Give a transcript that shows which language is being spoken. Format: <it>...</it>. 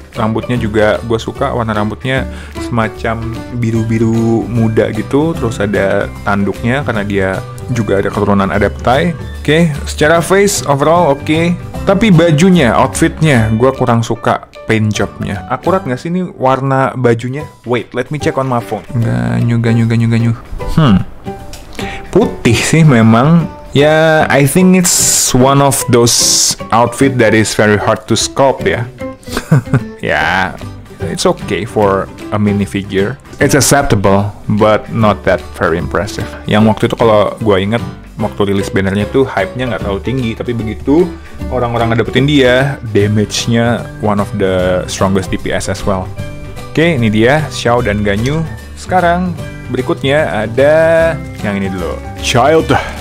<id>Rambutnya juga gue suka, warna rambutnya semacam biru-biru muda gitu. Terus ada tanduknya karena dia juga ada keturunan Adeptai. Oke, secara face overall oke. Tapi bajunya, outfitnya, gue kurang suka paint jobnya. Akurat gak sih ini warna bajunya?</id> <en>Wait, let me check on my phone. Ganyu, Ganyu, Ganyu, Ganyu.</en> <id>Putih sih memang.</id> <en>Ya, yeah, I think it's one of those outfit that is very hard to sculpt, ya. Yeah, it's okay for a minifigure. It's acceptable, but not that very impressive.</en> <id>Yang waktu itu kalau gue inget, waktu rilis bannernya tuh hype-nya nggak terlalu tinggi. Tapi begitu orang-orang ngedapetin dia, damage-nya</id> <en>one of the strongest DPS as well.</en> <id>Oke, okay, ini dia Xiao dan Ganyu. Sekarang berikutnya ada yang ini dulu. Child.</id>